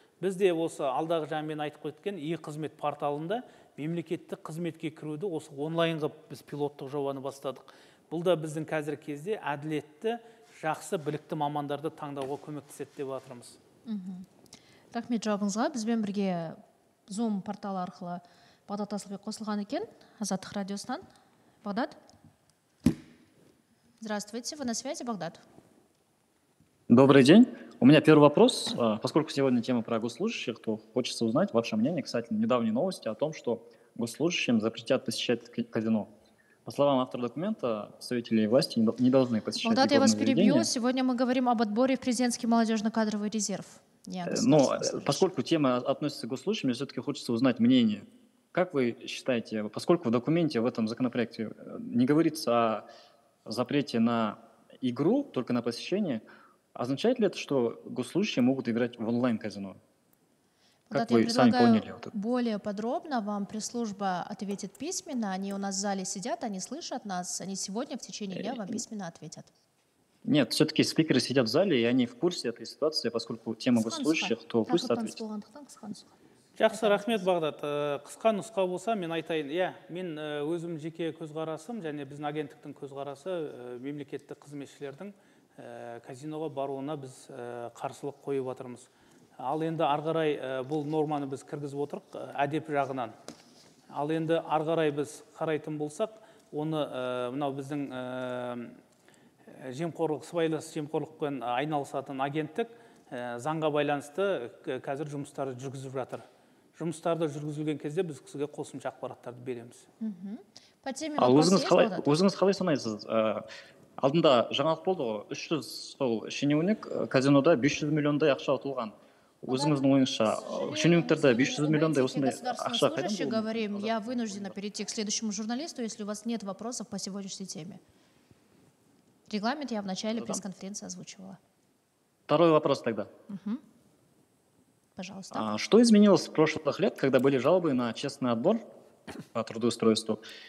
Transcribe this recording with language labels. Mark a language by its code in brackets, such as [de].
[kk] Бізде осы алдағы жаңмен айтып кеткен e-қызмет порталында мемлекеттік қызметке кіруді осы онлайн қып біз пилоттық жобаны бастадық. Бұл да біздің қазіргі кезде әділетті, жақсы білікті мамандарды таңдауға көмектеседі деп отырмыз. Рахмет жауабыңызға. Бізбен бірге Zoom портал арқылы Бағдат Асылбек қосылған екен, Азаттық радиосынан. Бағдат? [ru] Здравствуйте, вы на связи, Бағдат? Добрый день. У меня первый вопрос. Поскольку сегодня тема про госслужащих, то хочется узнать ваше мнение касательно недавней новости о том, что госслужащим запретят посещать казино. По словам автора документа, представители власти не должны посещать рекламные заведения. Вот это я вас перебью. Сегодня мы говорим об отборе в президентский молодежно-кадровый резерв. Но поскольку тема относится к госслужащим, мне все-таки хочется узнать мнение. Как вы считаете, поскольку в документе, в этом законопроекте не говорится о запрете на игру, только на посещение, означает ли это, что госслужащие могут играть в онлайн-казино? Как вы сами поняли? Более подробно вам пресс-служба ответит письменно. Они у нас в зале сидят, они слышат нас. Они сегодня в течение дня вам письменно ответят. Нет, все-таки спикеры сидят в зале, и они в курсе этой ситуации, поскольку тема госслужащих, то пусть ответят. [kk] Жақсы, рахмет, Бағдат. Қысқа нұсқа болса, мен айтайын. Мен өзім жеке көзқарасым, және біздің агенттіктің көзқарасы мемлекеттік қызметшілердің казиноға баруына біз қарсылық қойып отырмыз. Ал енді арғарай бұл норманы біз кіргізіп отырық әдеп жағынан. Ал енді арғарай біз қарайтын болсақ, оны мынау біздің жемқорлық, сыбайлас жемқорлықпен айналысатын агенттік заңға байланысты қазір жұмыстарды жүргізіп жатыр. Жұмыстарды жүргізілген кезде біз сізге қосымша ақпараттарды береміз. Ал өзіңіз қалай санайсыз? Алдында жаңалық болды ғой, 300 сол шенеунік казинода 500 миллиондай ақша ұтылған. Өзіңіздің ойыңызша, шенеуніктерде 500 миллиондай осындай ақша қайдан болды? [ru] Говорим, я вынуждена перейти к следующему журналисту, если у вас нет вопросов по сегодняшней теме. Регламент я в начале пресс-конференции озвучивала. Второй вопрос тогда. Пожалуйста. Что изменилось в прошлых лет, когда были жалобы на честный отбор по трудоустройству?